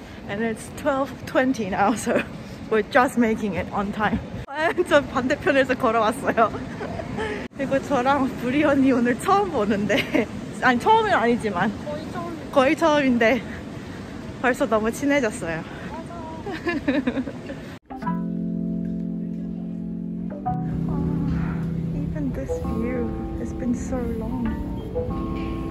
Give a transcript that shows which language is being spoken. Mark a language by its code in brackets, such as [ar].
[en] And it's 12:20 now, so we're just making it on time. [ko] 저 반대편에서 걸어왔어요. 그리고 저랑 브리 언니 오늘 처음 보는데, 아니 처음은 아니지만 거의 처음. 거의 처음인데 벌써 너무 친해졌어요. 맞아. [en] Oh, even this view, it's been so long.